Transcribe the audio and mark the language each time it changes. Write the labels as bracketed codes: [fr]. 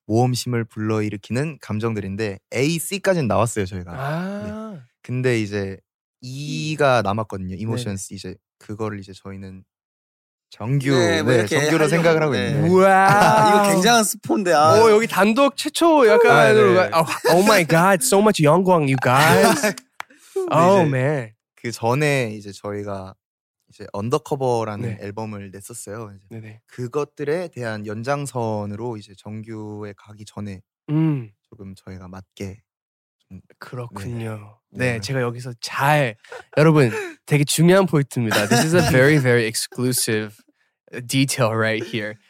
[ko] 모험심을 불러일으키는 감정들인데 AC까지는 나왔어요 저희가. 아~ 네. 근데 이제 E가 남았거든요. Emotions 네. 이제 그거를 이제 저희는 정규 네, 뭐 네, 정규로 생각을 하고 네. 있는데. 우와 이거 굉장한 스폰데. 아. 오 여기 단독 최초 약간으로. 아, 네. [en] Oh my God, so much 영광 you guys. Oh man. [ko] 그 전에 이제 저희가 이제 언더커버라는 네. 앨범을 냈었어요. 이제 네네. 그것들에 대한 연장선으로 이제 정규에 가기 전에 조금 저희가 맞게 좀 그렇군요. 네. 네. 네, 제가 여기서 잘 여러분 되게 중요한 포인트입니다. [en] This is a very very exclusive detail right here.